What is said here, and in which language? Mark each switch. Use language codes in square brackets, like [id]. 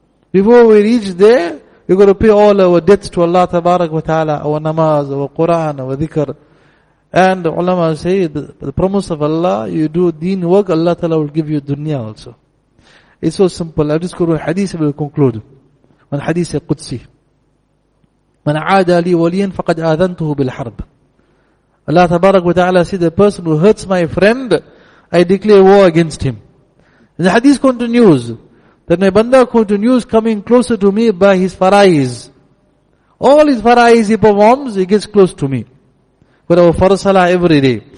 [en] Before we reach there, we got to pay all our debts to Allah tabarak wa ta'ala, our namaz, our Quran, our dhikr. And the ulama say, the promise of Allah, you do deen work, Allah ta'ala will give you dunya also. It's so simple. I'll just go to a hadith and we'll conclude. One hadith is Qudsi. [ar] من عادى لي وليا فقد آذنته بالحرب. [en] Allah تبارك وتعالى said, the person who hurts my friend, I declare war against him. And the hadith continues that my banda continues coming closer to me by his fara'is. All his fara'is he performs, he gets close to me. With our fara'is salah every day.